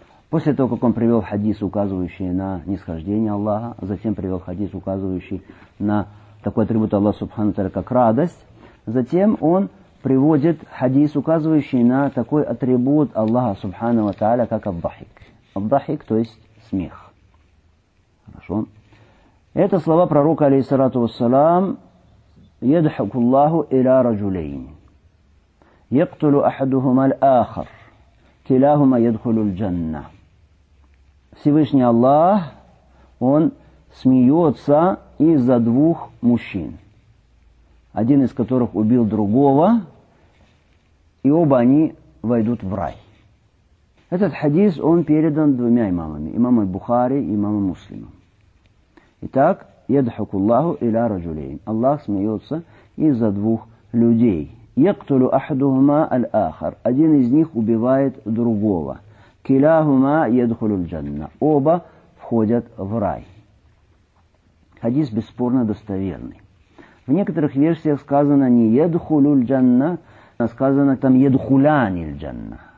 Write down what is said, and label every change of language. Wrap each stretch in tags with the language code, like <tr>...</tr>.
<ru>После того, как он привел хадис, указывающий на нисхождение Аллаха, затем привел хадис, указывающий на такой атрибут Аллаха Субхана ва Тааля, как радость, затем он приводит хадис, указывающий на такой атрибут Аллаха Субхана ва Тааля, как аб-дахик. Аб-дахик, то есть смех. Хорошо. Это слова пророка, алейхиссалату вассалам,</ru> <ar>«Ядхаку Аллаху иля раджулейн». يقتلوا أحدهما الآخر كلاهما يدخل الجنة.</ar> <ru>Всевышний Аллах, он смеется из-за двух мужчин, один из которых убил другого, и оба они войдут в рай. Этот хадис, он передан двумя имамами, имамом Бухари и имамом Муслимом. Итак,</ru> <ar>يضحك الله إلى رجلين.</ar> <ru>Аллах смеется из-за двух людей.</ru> <ar>يقتلوا أحدهما الآخر.</ar> <ru>Один из них убивает другого.</ru> <ar>كلاهما يدخل الجنة.</ar> <ru>Оба входят в рай. Хадис бесспорно достоверный. В некоторых версиях сказано не</ru> <ar>يدخل الجنة,</ar> <ru>а сказано там</ru> <ar>يدخلان الجنة.</ar>